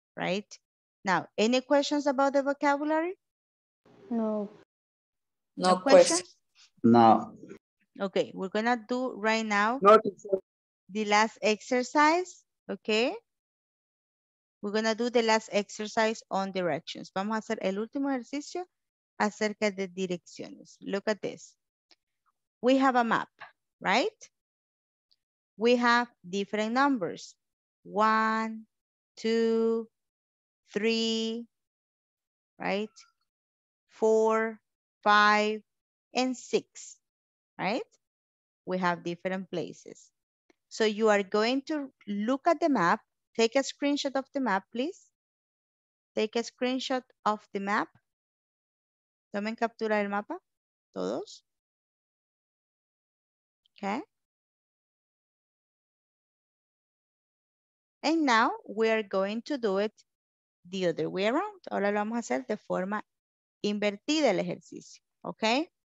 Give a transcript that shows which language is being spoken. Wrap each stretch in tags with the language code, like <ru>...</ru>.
<en>Right? Now, any questions about the vocabulary? No. No questions? No. Okay, we're gonna do right now the last exercise, okay? We're gonna do the last exercise on directions.</en> <es>Vamos a hacer el último ejercicio acerca de direcciones.</es> <en>Look at this. We have a map, right? We have different numbers. 1, 2, 3, right? 4, 5, and 6, right? We have different places. So you are going to look at the map, take a screenshot of the map, please. Take a screenshot of the map.</en> <es>Tomen captura del mapa, todos.</es> <en>Okay. And now we are going to do it the other way around.</en> <es>Ahora lo vamos a hacer de forma invertida el ejercicio, okay?</es>